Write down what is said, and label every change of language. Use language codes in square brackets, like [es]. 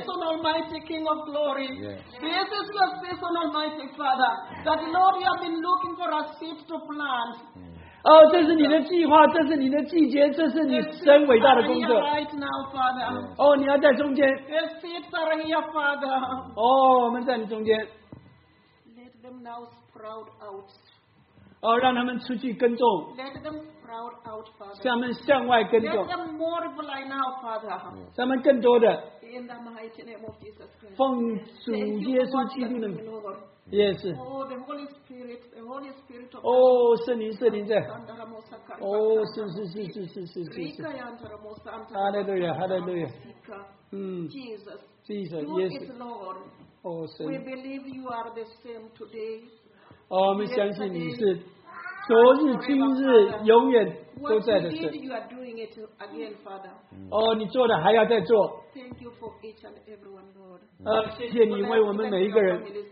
[en] This is your season, Almighty King of Glory. This is your season, Almighty Father. That Lord, you have been looking for a seed to plant. [zh] 哦，这是你的计划，这是你的季节，这是你神伟大的工作。 [en] Your seeds are here, Father. [zh] 哦，我们在你中间。 [en] now sprout out. [zh] 哦, 让他们出去耕种, [en] let them sprout out, Father. [zh] 向他们向外耕种, [en] let them multiply now, Father. [zh] 向他们更多的, [en] in the mighty name of Jesus Christ. [zh] 奉主耶稣基督的名, [en] thank you, Lord. Yes. Oh, the Holy Spirit of God. [zh] Oh, 圣灵, 在。Oh, 是。Hallelujah, hallelujah. [en] Jesus, yes. Lord. [zh] Oh, 圣灵. [en] We believe you are the same today. [zh] 哦, 我们相信你是, 昨日, 今日, 永远, 都在的神。 [en] What you did, you are doing it again, Father. [zh] 哦, 你做的, 还要再做。 [en] Thank you for each and everyone, Lord. [zh] 呃, 谢谢你, 为我们每一个人。